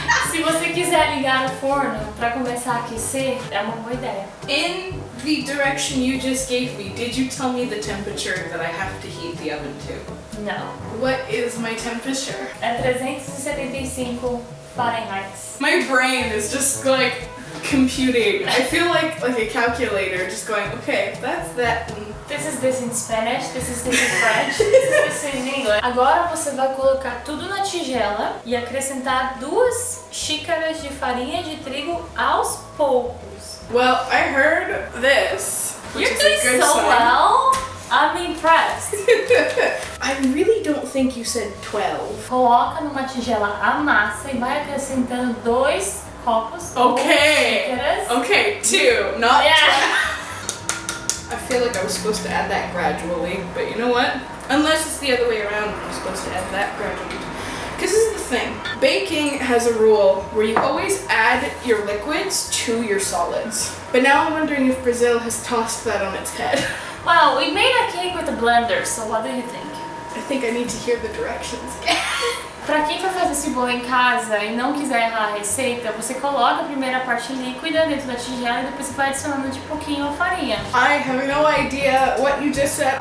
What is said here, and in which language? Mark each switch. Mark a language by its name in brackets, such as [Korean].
[Portuguese] Se você quiser ligar o forno para começar a aquecer, é uma boa ideia. [English] In the direction you just gave me, did you tell me the temperature that I have to heat the oven to? No. What is my temperature? [Portuguese] É 375 Fahrenheit. [English] My brain is just like computing. I feel like a calculator just going, okay, that's that. This is this in Spanish, this is this in French, this is this in English. [Portuguese] Agora você vai colocar tudo na tigela e acrescentar 2 xícaras de farinha de trigo aos poucos. [English] Well, I heard this. You're doing so well. I'm impressed. I really don't think you said 12. [Portuguese] Coloca numa tigela a massa e vai acrescentando 2 copos. [English] Okay. Okay, 2. Not 12. I feel like I was supposed to add that gradually, but you know what? Unless it's the other way around, I'm supposed to add that gradually. Because this is the thing. Baking has a rule where you always add your liquids to your solids. But now I'm wondering if Brazil has tossed that on its head. Well, we made a cake with a blender, so what do you think? I think I need to hear the directions. [Portuguese] Pra quem for fazer esse bolo em casa e não quiser errar a receita, você coloca a primeira parte líquida dentro da tigela e depois você vai adicionando de pouquinho a farinha. [English] I have no idea what you just said.